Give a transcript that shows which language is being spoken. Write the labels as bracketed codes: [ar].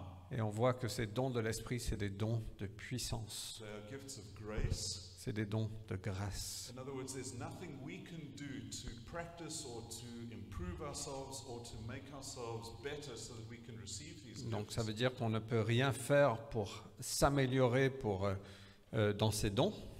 [fr] Et on voit que ces dons de l'Esprit, c'est des dons de puissance. [en] They are gifts of grace. [fr] C'est des dons de grâce. [en] In other words, there's nothing we can do to practice or to improve ourselves or to make ourselves better so that we can receive these gifts. [fr] Donc ça veut dire qu'on ne peut rien faire pour s'améliorer pour, dans ces dons.